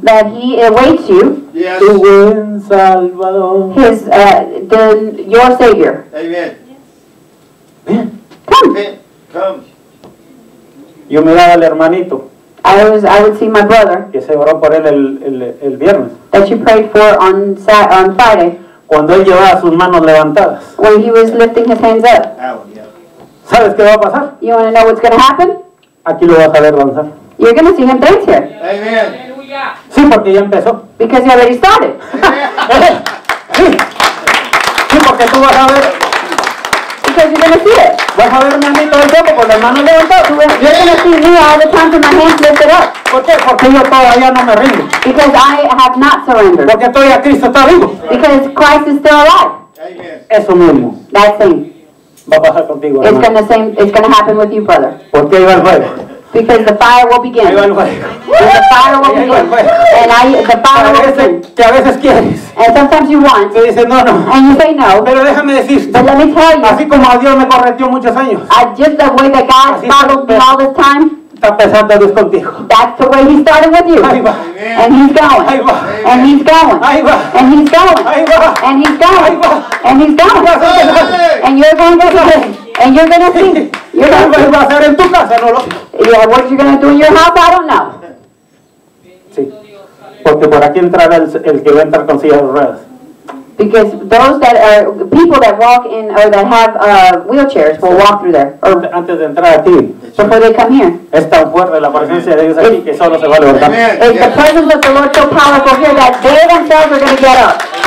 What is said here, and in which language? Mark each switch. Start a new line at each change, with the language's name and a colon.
English: That he awaits you. Yes.
Spanish: Tu buen Salvador.
English: His the your Savior. Amen.
Spanish: Ven.
English: Come. Come.
Spanish: Yo miraba al hermanito.
English: I would see my brother.
Spanish: Que se oró por él el viernes.
English: That you prayed for on Friday.
Spanish: Cuando él llevaba sus manos levantadas.
English: When he was lifting his hands up. Yeah.
Spanish: ¿Sabes qué va a pasar?
English: You want to know what's going to happen?
Spanish: Aquí lo vas a ver danzar.
English: You're going to see him dance here. Amen.
Spanish: Sí, porque ya empezó.
English: Because he already started.
Spanish: Sí. Sí, porque tú vas a ver.
English: Because you're going to see it.
Spanish: Vas a verme a mí todo el tiempo con las manos levantadas.
English: You're going to see me all the time with my hands lifted up.
Spanish: ¿Por qué? Porque yo todavía no me rindo.
English: Because I have not surrendered.
Spanish: Porque todavía Cristo está vivo.
English: Because Christ is still alive. Amen.
Spanish: Eso mismo.
English: That same.
Spanish: Va a pasar contigo, hermano.
English: It's going to happen with you, brother.
Spanish: ¿Por qué iba el fuego?
English: Because the fire will begin.
Spanish: Iba el fuego.
English: And the fire will begin. And the fire will begin.
Spanish: Que a veces quieres.
English: And sometimes you want.
Spanish: Y dice, no, no.
English: And you say no.
Spanish: Pero déjame decirte.
English: But let me tell you.
Spanish: Así como Dios me corrigió muchos años.
English: Just the way that God followed me all this time.
Spanish: Está pensando Dios contigo.
English: That's the way he started with you.
Spanish: Ahí va.
English: And he's going.
Spanish: Ahí va.
English: And he's going.
Spanish: Ahí va.
English: And he's going.
Spanish: Ahí va.
English: And he's going.
Spanish: Ahí va.
English: And he's going.
Spanish: Ahí va.
English: And you're going to see. And you're going to see. You're going to see.
Spanish: ¿Vas a hacer en tu casa, no lo?
English: Yeah, what you're going to do in your house, I don't know.
Spanish: Sí. Porque por aquí entrará el que va a entrar con silla de ruedas.
English: Because those that are people that walk in or that have wheelchairs will walk through there. Or
Spanish: antes de entrar aquí.
English: Before they come here.
Spanish: Es tan fuerte la presencia de Dios aquí que solo se va a levantar.
English: It's the presence of the Lord so powerful here that they themselves are going to get up.